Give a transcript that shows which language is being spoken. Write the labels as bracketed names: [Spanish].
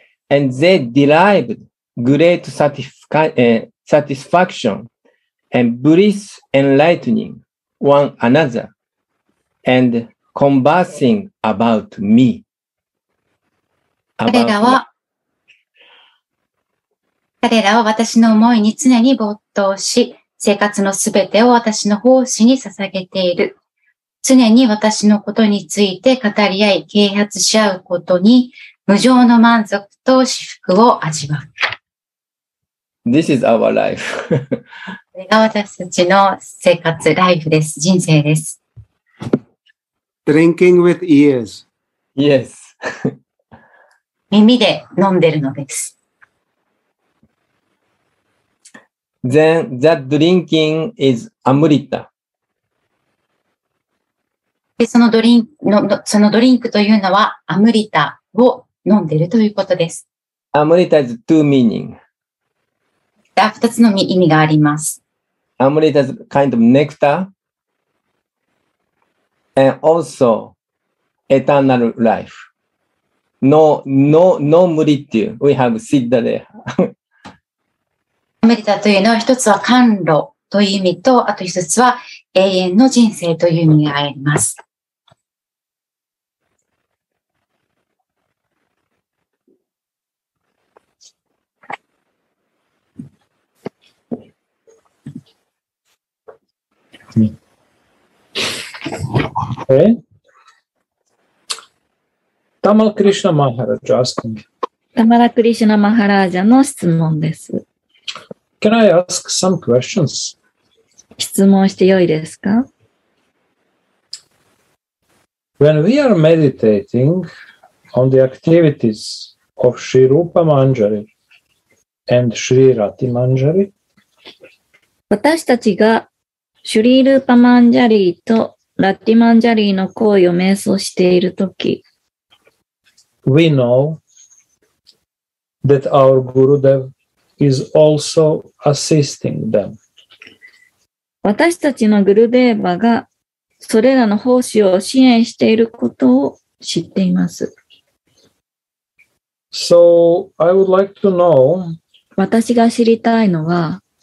[English] And they derive great satisfaction and bliss enlightening one another and conversing about me. [Japanese] 彼らは私の思いに常に没頭し、生活のすべてを私の奉仕に捧げている。常に私のことについて語り合い、啓発し合うことに無常の満足と至福を味わう。 [English] This is our life. [Japanese] これが私たちの生活、ライフです。人生です。 [English] Drinking with ears. Yes. [Japanese] 耳で飲んでるのです。 [English] Then that drinking is amrita. [Japanese] そのドリンクというのはアムリタを飲んでいるということです。 [English] Amrita is two meaning. [Japanese] 二つの意味があります。 [English] Amrita is kind of nectar and also eternal life. No mrityu. We have siddha there. [Japanese] アムリタというのは一つは甘露という意味と、あと一つは永遠の人生という意味があります。え、タマラクリシュナマハラージャ [English] asking。 [Japanese] タマラクリシュナマハラージャの質問です。 [English] Can I ask some questions? [Japanese] 質問してよいですか? [English] When we are meditating on the activities of Sri Rupa Manjari and Sri Rati Manjari, [Japanese] 私たちがシュリールーパマンジャリーとラッティマンジャリーの行為を瞑想しているとき、 [English] We know that our Gurudev is also assisting them. [Japanese] 私たちのグルデーバがそれらの奉仕を支援していることを知っています。 [English] So, I would like to know [Japanese] 私が知りたいのは、